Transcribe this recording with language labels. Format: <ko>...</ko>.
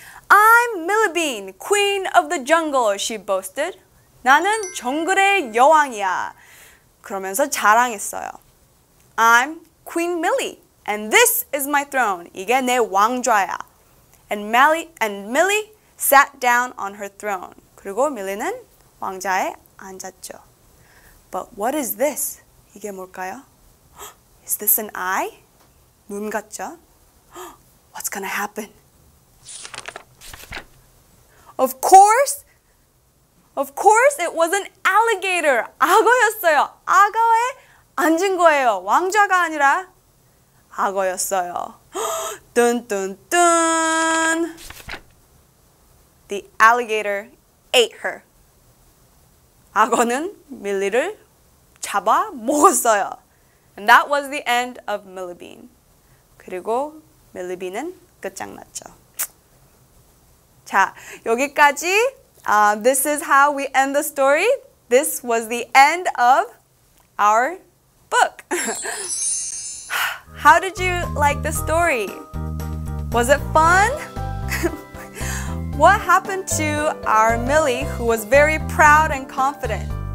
<en>I'm Millie Bean, queen of the jungle, she boasted.</en> <ko>나는 정글의 여왕이야. 그러면서 자랑했어요.</ko> <en>I'm Queen Millie, and this is my throne.</en> <ko>이게 내 왕좌야.</ko> <en>And Millie sat down on her throne.</en> <ko>그리고 밀리는 왕좌에 앉았죠.</ko> <en>But what is this?</en> <ko>이게 뭘까요?</ko> <en>Is this an eye?</en> <ko>눈 같죠?</ko> <en>What's gonna happen? Of course, it was an alligator.</en> <ko>악어였어요. 악어에 앉은 거예요. 왕좌가 아니라 악어였어요.</ko> <en>뚠뚠뚠. The alligator ate her.</en> <ko>악어는 밀리를 잡아 먹었어요.</ko> <en>And that was the end of Millie Bean.</en> <ko>그리고 Millie Bean은 끝장났죠. 자, 여기까지.</ko> <en>This is how we end the story. This was the end of our book. How did you like the story? Was it fun? What happened to our Millie, who was very proud and confident?</en>